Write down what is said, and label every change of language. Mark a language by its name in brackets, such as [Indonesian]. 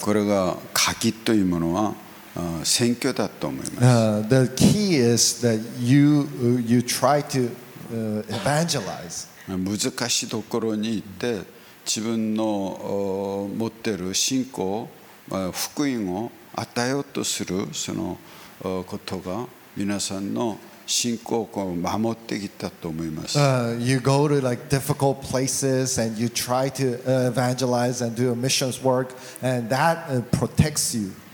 [Japanese] これが鍵というものは宣教だと思います。 [English] The key is that you try to evangelize. [Japanese] 難しいところに行って。自分の持っている信仰、福音を与えようとするそのことが皆さんの信仰を守ってきたと思います。 [English] You go to like difficult places and you try to evangelize and do a missions work, and that protects you.